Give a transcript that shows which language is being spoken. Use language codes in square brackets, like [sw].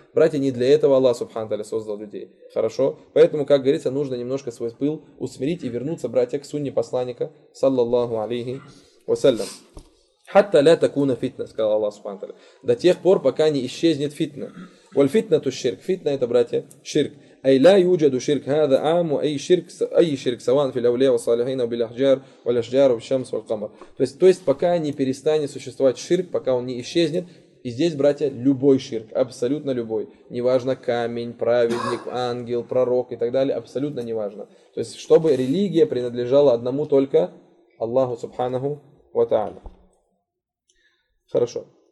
[ru] Братья, не для этого Аллах Субхану Тааля создал людей. Хорошо? Поэтому, как говорится, нужно немножко свой пыл усмирить и вернуться, братья, к сунне посланника, саллаллаху алейхи вассалям. Хатта ля такуна фитна, сказал Аллах Субхану Тааля. До тех пор, пока не исчезнет фитна. Валь фитна ту ширк. Фитна это, братья, ширк. [ar] أي لا يوجد شرك هذا عام وأي شرك أي شرك سواء في الأولياء والصالحين أو بالأحجار والأشجار والشمس والقمر. [ru] То есть пока не перестанет существовать ширк, пока он не исчезнет, и здесь, братья, любой ширк, абсолютно любой, неважно камень, праведник, ангел, пророк и так далее, абсолютно неважно. То есть чтобы религия принадлежала одному только Аллаху Субханаху ва Тааля. Хорошо.